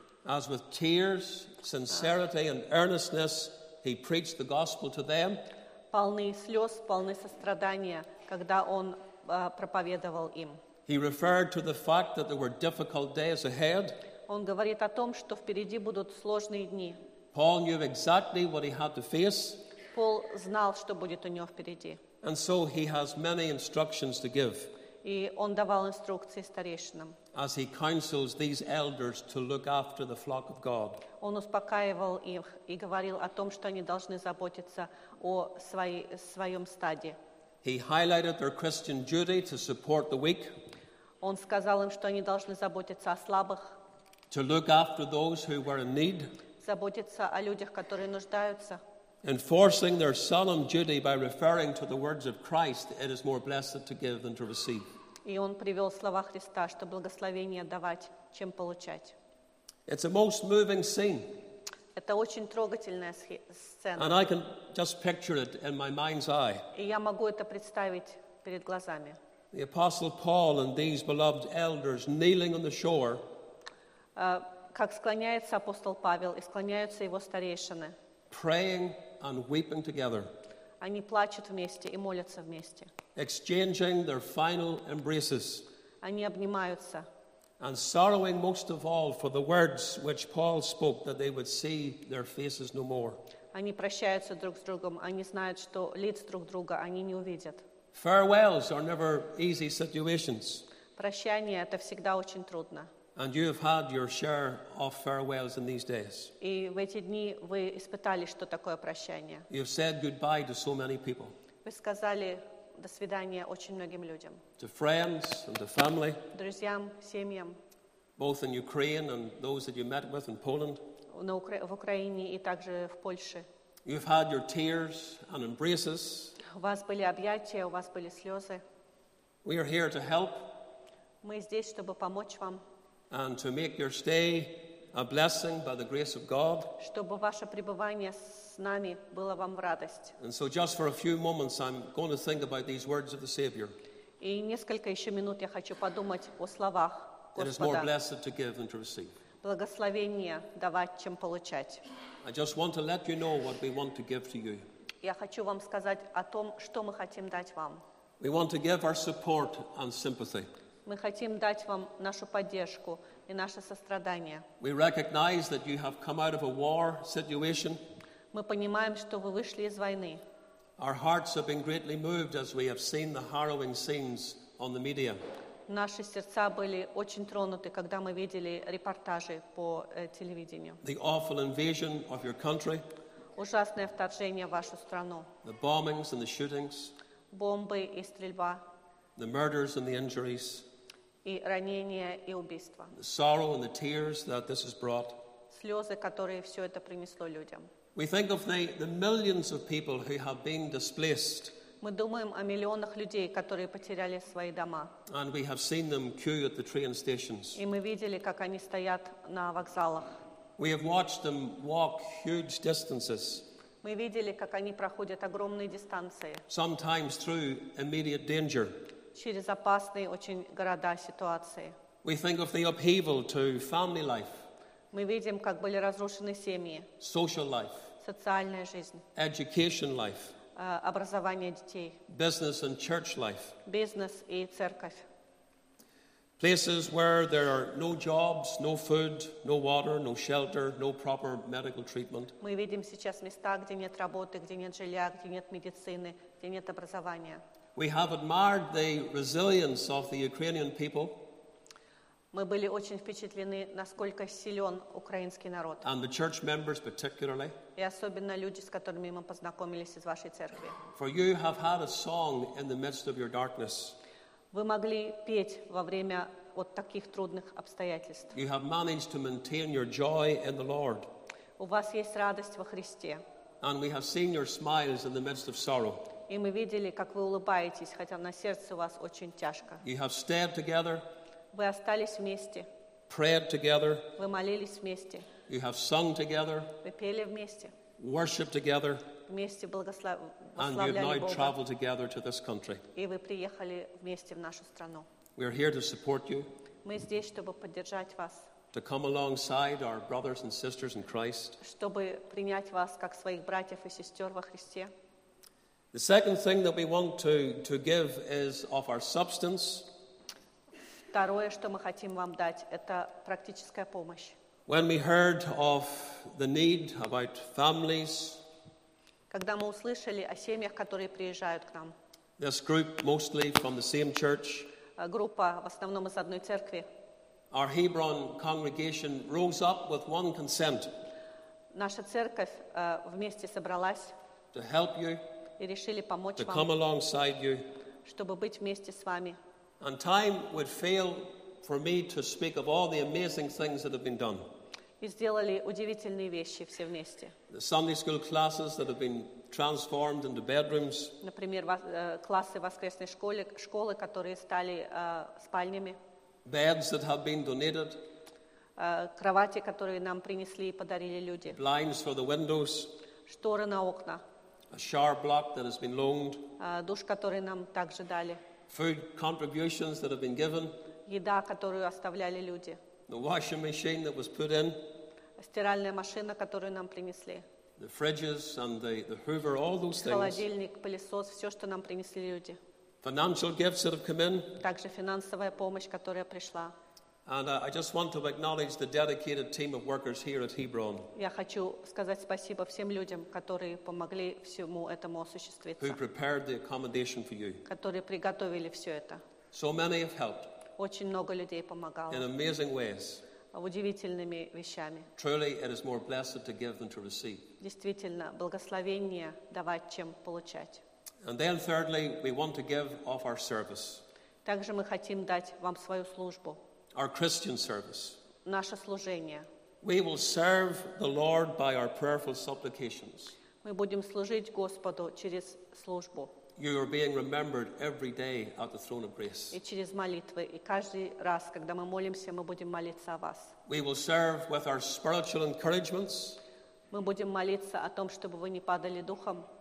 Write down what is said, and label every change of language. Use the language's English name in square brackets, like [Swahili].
[English] As with tears, sincerity, and earnestness, he preached the gospel to them. [Russian] Полны слез, полны сострадания, когда он проповедовал им. [English] He referred to the fact that there were difficult days ahead. [Russian] Он говорит о том, что впереди будут сложные дни. [English] Paul knew exactly what he had to face. [Russian] Пол знал, что будет у него впереди. [English] And so he has many instructions to give. [Russian] И он давал инструкции старейшинам. [English] As he counsels these elders to look after the flock of God. [Russian] Он успокаивал их и говорил о том, что они должны заботиться о своем стаде. [English] He highlighted their Christian duty to support the weak. [Russian] Он сказал им, что они должны заботиться о слабых. [English] To look after those who were in need. [Russian] Заботиться о людях, которые нуждаются. [English] Enforcing their solemn duty by referring to the words of Christ, it is more blessed to give than to receive. [Russian] И он привел слова Христа, что благословение давать, чем получать. [English] It's a most moving scene. [Russian] Это очень трогательная сцена. [English] And I can just picture it in my mind's eye. [Russian] И я могу это представить перед глазами. [English] The Apostle Paul and these beloved elders kneeling on the shore. [Russian] Как склоняется апостол Павел и склоняются его старейшины. [English] Praying and weeping together. [Russian] Они плачут вместе и молятся вместе. [English] Exchanging their final embraces. [Russian] Они обнимаются. [English] And sorrowing most of all for the words which Paul spoke that they would see their faces no more. [Russian] Они прощаются друг с другом. Они знают, что лиц друг друга они не увидят. [English] Farewells are never easy situations. [Russian] Прощание это всегда очень трудно. [English] And you have had your share of farewells in these days. [Russian] И в эти дни вы испытали, что такое прощание. [English] You have said goodbye to so many people. [Russian] Вы сказали до свидания очень многим людям. [English] To friends and to family. [Russian] Друзьям, семьям. [English] Both in Ukraine and those that you met with in Poland. [Russian] В Украине и также в Польше. [English] You have had your tears and embraces. [Russian] У вас были объятия, у вас были слезы. [English] We are here to help. [Russian] Мы здесь, чтобы помочь вам. [English] And to make your stay a blessing by the grace of God. [Russian] Чтобы ваше пребывание с нами было вам в радость. [English] And so just for a few moments I'm going to think about these words of the Savior. [Russian] И несколько еще минут я хочу подумать о словах Господа. [English] It is more blessed to give than to receive. [Russian] Благословение давать, чем получать. [English] I just want to let you know what we want to give to you. [Russian] Я хочу вам сказать о том, что мы хотим дать вам. [English] We want to give our support and sympathy. [Russian] Мы хотим дать вам нашу поддержку и наше сострадание. [English] We recognize that you have come out of a war situation. [Russian] Мы понимаем, что вы вышли из войны. [English] Our hearts have been greatly moved as we have seen the harrowing scenes on the media. [Russian] Наши сердца были очень тронуты, когда мы видели репортажи по телевидению. [English] The awful invasion of your country. [Russian] Ужасное вторжение в вашу страну. [English] The bombings and the shootings. [Russian] Бомбы и стрельба. [English] the murders and the injuries, [Russian] и ранения, и убийства, [English] the sorrow and the tears that this has brought. [Russian] Слезы, которые все это принесло людям. [English] We think of the millions of people who have been displaced. [Russian] Мы думаем о миллионах людей, которые потеряли свои дома. [English] And we have seen them queue at the train stations. [Russian] И мы видели, как они стоят на вокзалах. [English] We have watched them walk huge distances. [Russian] Мы видели, как они проходят огромные дистанции. [English] Sometimes through immediate danger. [Russian] Через опасные очень города ситуации. [English] We think of the upheaval to family life. [Russian] Мы видим, как были разрушены семьи. [English] Social life. [Russian] Социальная жизнь. [English] Education life. [Russian] Образование детей. [English] Business and church life. [Russian] Бизнес и церковь. [English] Places where there are no jobs, no food, no water, no shelter, no proper medical treatment. [Russian] Мы видим сейчас места, где нет работы, где нет жилья, где нет медицины, где нет образования. [English] We have admired the resilience of the Ukrainian people. [Russian] Мы были очень впечатлены, насколько силен украинский народ. [English] And the church members particularly. [Russian] И особенно люди, с которыми мы познакомились из вашей церкви. [English] For you have had a song in the midst of your darkness. [Russian] Вы могли петь во время вот таких трудных обстоятельств. [English] You have managed to maintain your joy in the Lord. [Russian] У вас есть радость во Христе. [English] And we have seen your smiles in the midst of sorrow. [Russian] И мы видели, как вы улыбаетесь, хотя на сердце у вас очень тяжко. [English] You have stayed together. [Russian] Вы остались вместе. [English] Prayed together. [Russian] Вы молились вместе. [English] You have sung together. [Russian] Вы пели вместе. [English] Worshiped together. [Russian] Вместе благославляли Бога. [English] And you have now traveled together to this country. [Russian] И вы приехали вместе в нашу страну. [English] We are here to support you. [Russian] Мы здесь, чтобы поддержать вас. [English] To come alongside our brothers and sisters in Christ. [Russian] Чтобы принять вас как своих братьев и сестер во Христе. [English] The second thing that we want to give is of our substance. [Russian] Второе, что мы хотим вам дать, это практическая помощь. [English] When we heard of the need about families, [Russian] когда мы услышали о семьях, которые приезжают к нам, [English] this group mostly from the same church, [Russian] группа в основном из одной церкви, [English] our Hebron congregation rose up with one consent, [Russian] наша церковь вместе собралась, [English] to help you, [Russian] и решили помочь [English] to [Russian] вам, [English] come alongside you, [Russian] чтобы быть вместе с вами. [English] And time would fail for me to speak of all the amazing things that have been done. [Russian] И сделали удивительные вещи все вместе. [English] The Sunday school classes that have been transformed into bedrooms. [Russian] Например, классы воскресной школы, которые стали спальнями. [English] Beds that have been donated. [Russian] Кровати, которые нам принесли и подарили люди. [English] Blinds for the windows. [Russian] Шторы на окна. [English] A shower block that has been loaned. [Russian] Душ, который нам также дали. [English] Food contributions that have been given. [Russian] Еда, которую оставляли люди. [English] The washing machine that was put in. [Russian] Стиральная машина, которую нам принесли. [English] The fridges and the Hoover, all those things. [Russian] Холодильник, пылесос, все, что нам принесли люди. [English] Financial gifts that have come in. [Russian] Также финансовая помощь, которая пришла. [English] And I just want to acknowledge the dedicated team of workers here at Hebron. [Russian] Я хочу сказать спасибо всем людям, которые помогли всему этому осуществиться. [English] Who prepared the accommodation for you? [Russian] Которые приготовили все это. [English] So many have helped. [Russian] Очень много людей помогало. [English] In amazing ways. [Russian] Удивительными вещами. [English] Truly, it is more blessed to give than to receive. [Russian] Действительно, благословение давать, чем получать. [English] And then, thirdly, we want to give of our service. [Russian] Также мы хотим дать вам свою службу. [English] Our Christian service. [Russian] Наше служение. [English] We will serve the Lord by our prayerful supplications. [Russian] Мы будем служить Господу через службу. [English] You are being remembered every day at the throne of grace. [Russian] И через молитвы. И каждый раз, когда мы молимся, мы будем молиться о вас. [English] We will serve with our spiritual encouragements. [Russian] Мы будем молиться о том, чтобы вы не падали духом.